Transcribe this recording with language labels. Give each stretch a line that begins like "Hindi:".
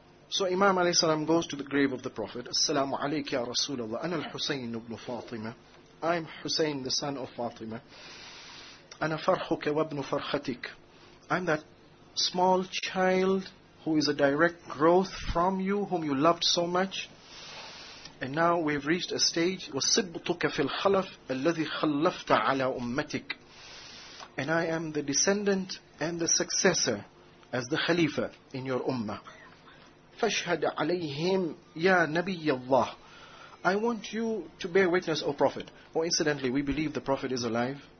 English: So Imam alayhi salam goes to the grave of the Prophet.
Arabic: Assalamu alayki ya Rasulullah. Ana al-Husayn ibn Fatima.
English: I'm Hussein, the son of Fatima.
Arabic: أنا فرحك وابن فرحتك.
English: I'm that small child who is a direct growth from you, whom you loved so much. And now we've reached a stage.
Arabic: وسبطك في الخلف الذي خلفت على أمتك.
English: And I am the descendant and the successor as the Khalifa in your Ummah.
Arabic: فاشهد عليهم يا نبي الله.
English: I want you to bear witness, O Prophet. Oh, incidentally, we believe the Prophet is alive.